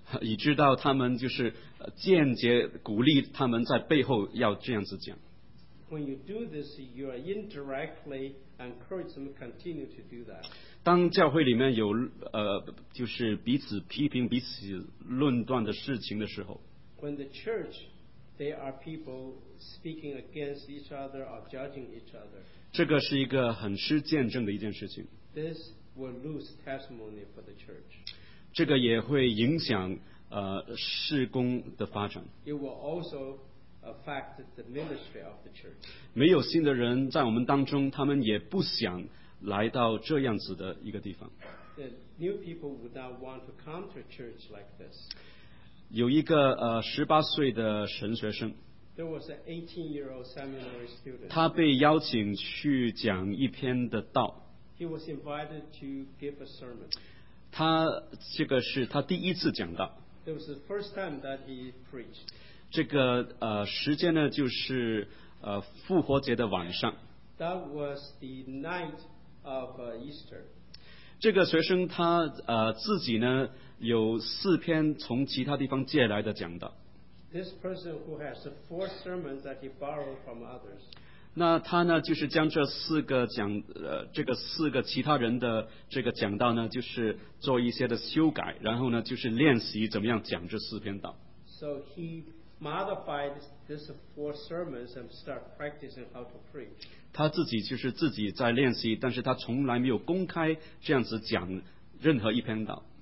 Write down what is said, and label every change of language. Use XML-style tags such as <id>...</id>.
<zh>以知道他们就是间接鼓励他们在背后要这样子讲。</zh> <en>When you do this, you are indirectly encourage them to continue to do that.</en> <zh>当教会里面有就是彼此批评、彼此论断的事情的时候，</zh> <en>When the church, there are people speaking against each other or judging each other.</en> <zh>这个是一个很失见证的一件事情。</zh> <en>This will lose testimony for the church.</en> <zh>这个也会影响事工的发展。</zh> <en>It will also affect the ministry of the church.</en> <zh>没有新的人在我们当中，他们也不想来到这样子的一个地方。</zh> <en>The new people would not want to come to a church like this.</en> <zh>有一个18岁的神学生。</zh> <en>There was an 18-year-old seminary student.</en> <zh>他被邀请去讲一篇的道。</zh> <en>He was invited to give a sermon.</en> <zh>他这个是他第一次讲道。</zh> <en>It was the first time that he preached.</en> <zh>这个时间呢，就是复活节的晚上。</zh> <en>That was the night of Easter.</en> <zh>这个学生他自己呢有四篇从其他地方借来的讲道。</zh> <en>This person who has four sermons that he borrowed from others.</en> <zh>那他呢就是将这四个讲这个四个其他人的这个讲道呢，就是做一些的修改，然后呢就是练习怎么样讲这四篇道。</zh> <en>So he modified these four sermons and started practicing how to preach.</en> <zh>他自己就是自己在练习，但是他从来没有公开这样子讲任何一篇道。</zh>